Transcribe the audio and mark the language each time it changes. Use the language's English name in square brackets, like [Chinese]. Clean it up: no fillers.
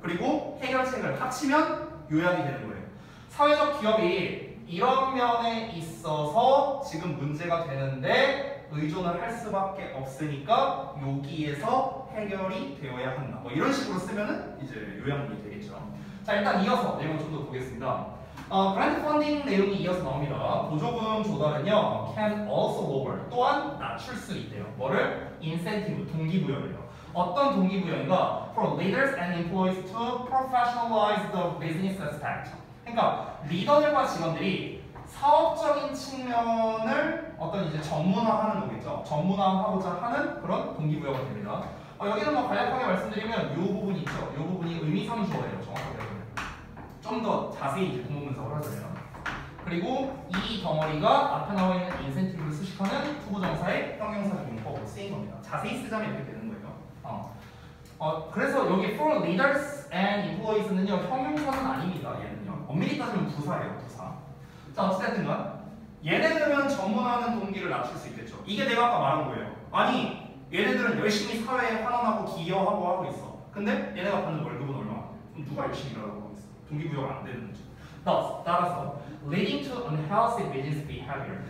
[Korean] 그리고 해결책을 합치면 요약이 되는 거예요. 사회적 기업이 이런 면에 있어서 지금 문제가 되는데 의존을 할 수밖에 없으니까 여기에서 해결이 되어야 한다. 뭐 이런 식으로 쓰면은 이제 요약문이 되겠죠. 자, 일단 이어서 내용을 좀 더 보겠습니다. 그랜트 펀딩 내용이 이어서 나옵니다. 보조금 조달은요, [English] can also lower, [Korean] 또한 낮출 수 있대요. 뭐를? 인센티브, 동기부여를요. 어떤 동기부여인가? [English] For leaders and employees to professionalize the business aspect. [Korean] 그러니까 리더들과 직원들이 사업적인 측면을 어떤 이제 전문화하는 거겠죠. 전문화하고자 하는 그런 동기부여가 됩니다. 여기는 뭐 간략하게 말씀드리면 요 부분이 있죠. 요 부분이 의미상 주어예요. 정확하게. 좀 더 자세히 이제 본문 분석을 하자면. 그리고 이 덩어리가 앞에 나와 있는 인센티브를 수식하는 투부정사의 형용사 용법으로 쓰인 겁니다. 자세히 쓰자면 이렇게 되는 거예요. 그래서 여기 [English] for leaders and employees [Korean] 는요. 형용사는 아닙니다. 얘는요. 엄밀히 따지면 부사예요. 부사. 자, 어쨌든간 얘네들은 전문화하는 동기를 낮출 수 있겠죠. 이게 내가 아까 말한 거예요. 아니 얘네들은 열심히 사회에 환원하고 기여하고 하고 있어. 근데 얘네가 받는 월급은 얼마? 그럼 누가 열심히 일하고 하고 있어? 동기부여가 안 되는지. 따라서 [English] leading to unhealthy business behavior.